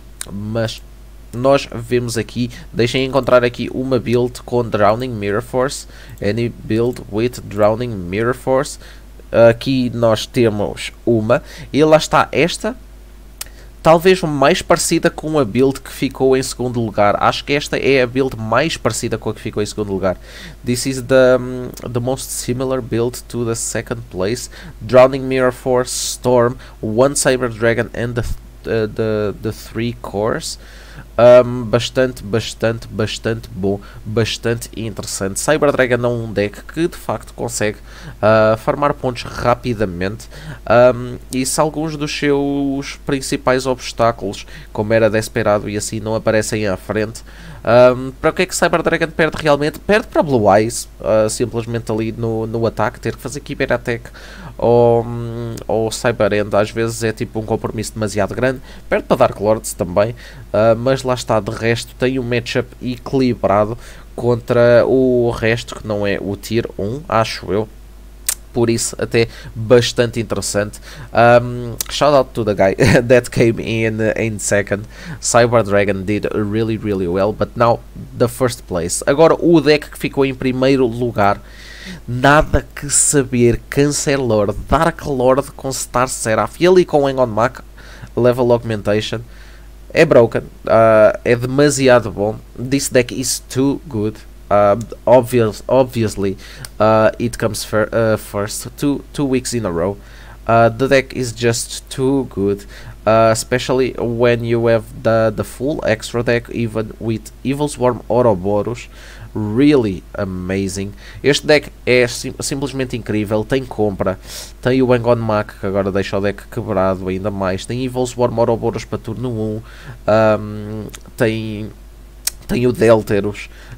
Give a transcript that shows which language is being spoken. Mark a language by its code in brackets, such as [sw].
[pt] Mas nós vemos aqui, deixem encontrar aqui uma build com Drowning Mirror Force. [en] Any build with Drowning Mirror Force. [pt] Aqui nós temos uma. E lá está esta. Talvez mais parecida com a build que ficou em segundo lugar. Acho que esta é a build mais parecida com a que ficou em segundo lugar. [en] This is the most similar build to the second place. Drowning Mirror Force, Storm, one Cyber Dragon and the three cores. [pt] Bastante bom, bastante interessante. Cyber Dragon é um deck que de facto consegue farmar pontos rapidamente, e se alguns dos seus principais obstáculos, como era de esperado e assim, não aparecem à frente, para o que é que Cyber Dragon perde realmente? Perde para Blue Eyes, simplesmente ali no ataque, ter que fazer Kyber Attack ou Cyber End às vezes é tipo um compromisso demasiado grande. Perde para Dark Lords também, mas lá está, de resto tem um matchup equilibrado contra o resto, que não é o Tier 1, acho eu. Por isso, até bastante interessante. [en] Shout out to the guy that came in second. Cyber Dragon did really, really well. But now, the first place. [pt] Agora, o deck que ficou em primeiro lugar. Nada que saber. Cancer Lord, Dark Lord com Star Seraph. E ali com Hang on Mac, Level Augmentation. É broken. É demasiado bom. [en] This deck is too good. Obviously, it comes first, two weeks in a row. The deck is just too good, especially when you have the full extra deck, even with Evil Swarm Ouroboros. Really amazing. [pt] Este deck é simplesmente incrível. Tem compra, tem o Hang on Mac, que agora deixa o deck quebrado ainda mais. Tem Evil Swarm Ouroboros para turno 1, tem o Delteros.